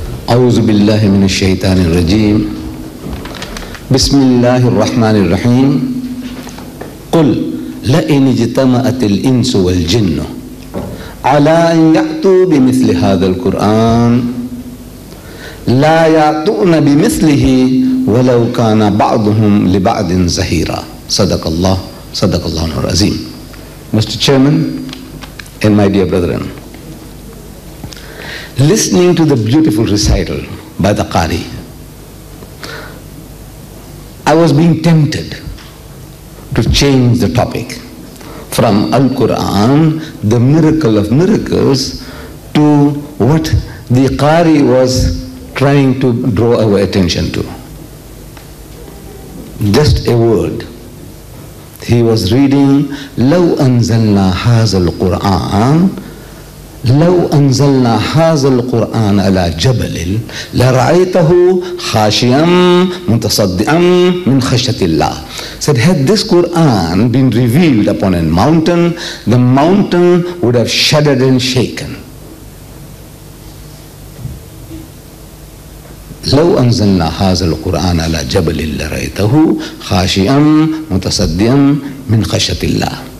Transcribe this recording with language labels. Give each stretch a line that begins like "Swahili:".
Arabic: أعوذ بالله من الشيطان الرجيم بسم الله الرحمن الرحيم قل لئن اجتمعت الإنس والجن على أن يأتوا بمثل هذا القرآن لا يأتون بمثله ولو كان بعضهم لبعض زهيرا صدق الله صدق الله العظيم.
English: Mr. Chairman and my dear brethren, listening to the beautiful recital by the Qari, I was being tempted to change the topic from Al-Quran, the miracle of miracles, to what the Qari was trying to draw our attention to. Just a word. He was reading,
Arabic: لو أنزلنا هذا القرآن لو أنزلنا هذا القرآن على جبل لرأيته خاشيا متصدعا من خشية الله.
English: Said, had this Quran been revealed upon a mountain, the mountain would have shuddered and shaken.
Arabic: لو أنزلنا هذا القرآن على جبل لرأيته خاشيا متصدعا من خشية الله.